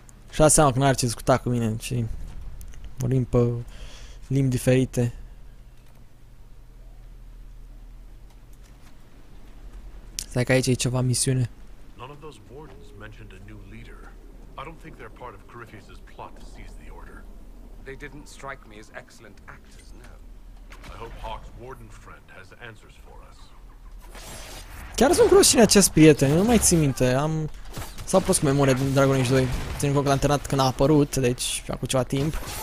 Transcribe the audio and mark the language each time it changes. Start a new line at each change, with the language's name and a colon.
Romanian: Și-a dat seama că n-ar ce discuta cu mine, ci vorbim pe limbi diferite. Stai că aici e ceva misiune.
English: None of those wardens mentioned a new leader. I don't think they're part of Corypheus's plot to seize the order. They didn't strike me as excellent actors, no. I hope Hawk's warden friend has answers for us.
Romanian: Chiar sunt curios cine acest prieten, nu mai țin minte, am... s-a pus cu memoria din Dragon Age 2. Țin cont că l-am terminat când a apărut, deci a făcut ceva timp.